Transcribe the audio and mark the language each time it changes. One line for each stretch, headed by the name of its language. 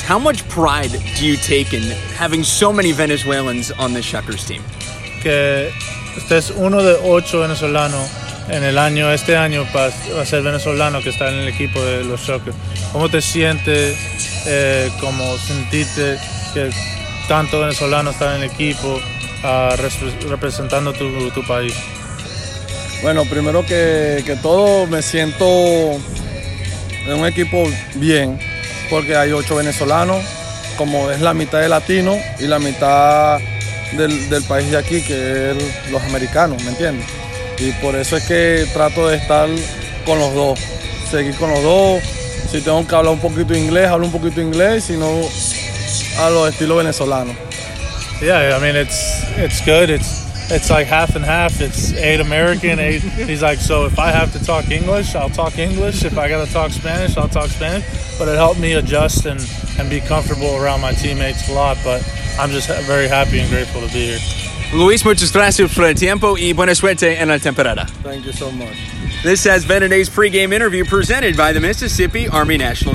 English: How much pride do you take in having so many Venezuelans on the Shuckers team?
Spanish: Que usted es uno de 8 venezolanos en el año, este año, para ser venezolano que está en el equipo de los Shuckers. ¿Cómo te sientes, como sentiste que tanto venezolano está en el equipo representando tu país? Bueno, primero que todo, me siento en un equipo bien, porque hay 8 venezolanos, como es la mitad de latino y la mitad del país de aquí, que es los americanos, ¿me entiendes? Y por eso es que trato de estar con los dos, seguir con los dos, si tengo que hablar un poquito inglés, hablo un poquito inglés, sino a lo estilo venezolano.
English: Yeah, I mean, it's good. It's like half and half. It's eight American, eight. He's like, so if I have to talk English, I'll talk English. If I gotta talk Spanish, I'll talk Spanish. But it helped me adjust and be comfortable around my teammates a lot. But I'm just very happy and grateful to be here.
Spanish: Luis, muchas gracias por el tiempo y buena suerte en la temporada.
English: Thank you so much. This has been today's pregame interview presented by the Mississippi Army National Guard.